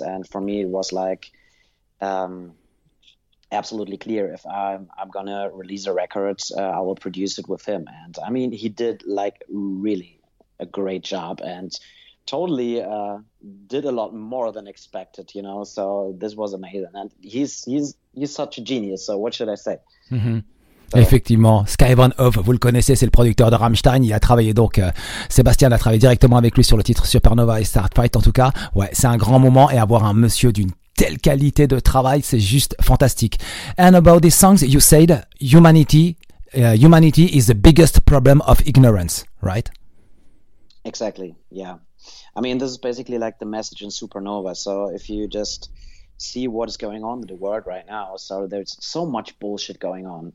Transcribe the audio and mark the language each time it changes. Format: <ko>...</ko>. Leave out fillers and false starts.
<en>And for me, it was like absolutely clear, if I'm gonna release a record, I will produce it with him. And I mean, he did like really a great job, and totally did a lot more than expected, you know, so this was amazing, and he's such a genius, so what should I say.</en> <fr>Effectivement, Sky von Hoof, vous le connaissez, c'est le producteur de Rammstein. Il a travaillé donc, Sébastien a travaillé directement avec lui sur le titre Supernova et Start Fight. En tout cas, ouais, c'est un grand moment, et avoir un monsieur d'une telle qualité de travail, c'est juste fantastique.</fr> <en>And about these songs, you said humanity is the biggest problem of ignorance, right? Exactly, yeah. I mean, this is basically like the message in Supernova. So if you just see what is going on in the world right now, so there's so much bullshit going on.</en>